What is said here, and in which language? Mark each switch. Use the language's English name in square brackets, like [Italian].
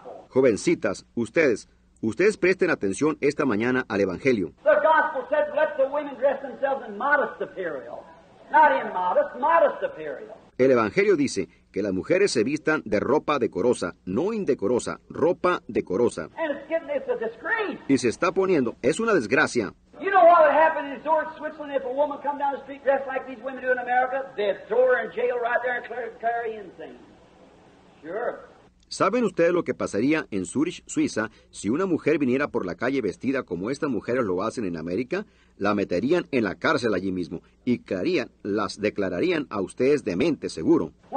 [Spanish] Jovencitas, ustedes presten atención esta mañana al Evangelio. [English] The gospel said, let the women dress themselves in modest apparel. Not in modest, modest apparel. [Spanish] El Evangelio dice que las mujeres se vistan de ropa decorosa, no indecorosa, ropa decorosa. [English] And it's getting, it's a disgrace. [Spanish] Y se está poniendo, es una desgracia. [English] You know what would happen in Zurich, Switzerland, if a woman come down the street dressed like these women do in America? They'd throw her in jail right there and carry insane. Sure. [Spanish] ¿Saben ustedes lo que pasaría en Zurich, Suiza, si una mujer viniera por la calle vestida como estas mujeres lo hacen en América? La meterían en la cárcel allí mismo y las declararían a ustedes demente, seguro.